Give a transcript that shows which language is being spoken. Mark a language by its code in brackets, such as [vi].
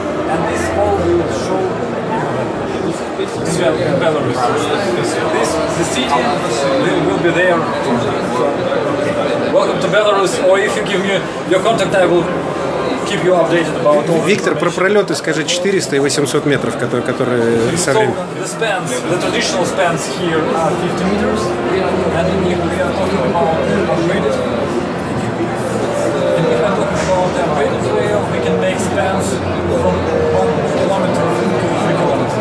[en] And this all will show in Belarus. The city will be there. Welcome to Belarus, or if you give me your contact, I will keep you updated about all. [ru] Виктор, про пролеты скажи 400 и 800 метров, которые со временем. [en] The spans, the traditional spans here are 50 meters, and we are talking about upgraded. And we are talking about the upgraded rail, we can make spans from 1 kilometer to 3 kilometers.